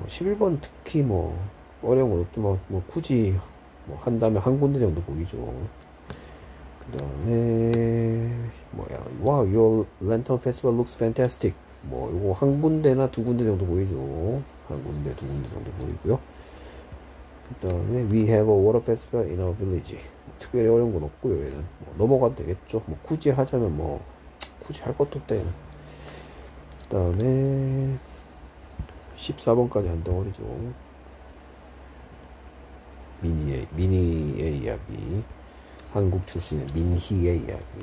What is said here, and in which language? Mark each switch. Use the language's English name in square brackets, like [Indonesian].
[Korean] 11번 특히 뭐 어려운 건 없지만 뭐 굳이 뭐 한다면 한 군데 정도 보이죠. 그다음에 뭐야? [English] Wow, your lantern festival looks fantastic. [Korean] 뭐 이거 한 군데나 두 군데 정도 보이죠. 한 군데 두 군데 정도 보이고요. 그다음에 [English] we have a water festival in our village. [Korean] 특별히 어려운 건 없고요. 얘는 뭐 넘어가도 되겠죠. 뭐 굳이 하자면 뭐 굳이 할 것도 없대. 그다음에 14번까지 한 덩어리죠. 미니의 이야기. 한국 출신의 민희의 이야기.